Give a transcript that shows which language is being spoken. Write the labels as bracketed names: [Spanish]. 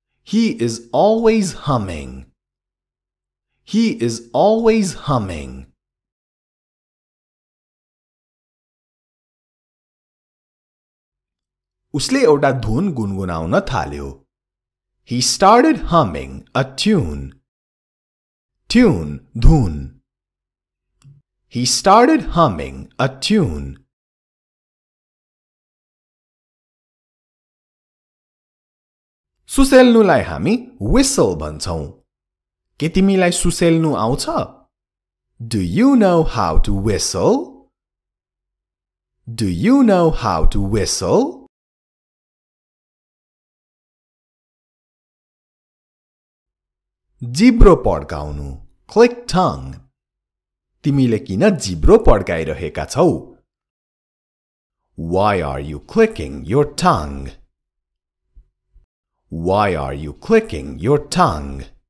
[English] He is always humming. He is always humming. [Nepali] उसले एउटा धुन गुनगुनाउन थाल्यो। [English] He started humming a tune. Tune, धुन। He started humming a tune. [Nepali] सुसेल्नु लाई हामी whistle भन्छौं। के तिमीलाई सुसेल्नु आउँछ? [English] Do you know how to whistle? Do you know how to whistle? [Nepali] जिब्रो पड्काउनु। [English] Click tongue. [Nepali] तिमीले किन जिब्रो पड्काइरहेका छौ? [English] Why are you clicking your tongue? Why are you clicking your tongue?